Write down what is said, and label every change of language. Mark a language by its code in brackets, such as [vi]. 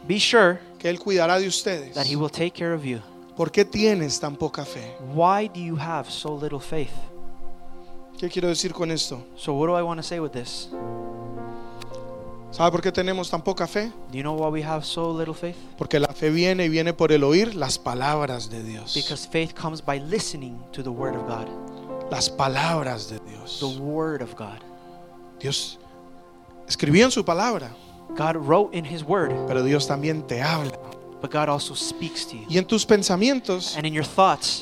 [en] Be sure. [es] Que Él cuidará de ustedes. [en] That He will take care of you. [es] ¿Por qué tienes tan poca fe? [en] Why do you have so little faith? [es] ¿Qué quiero decir con esto? [en] So what do I want to say with this? [es] ¿Sabe por qué tenemos tan poca fe? [en] Do you know why we have so little faith? [es] Porque la fe viene y viene por el oír las palabras de Dios. [en] Because faith comes by listening to the word of God. [es] Las palabras de Dios. [en] The word of God. [es] Dios escribió en su palabra. [en] God wrote in his word. [es] Pero Dios también te habla. [en] But God also speaks to you. [es] Y en tus pensamientos, [en] and in your thoughts,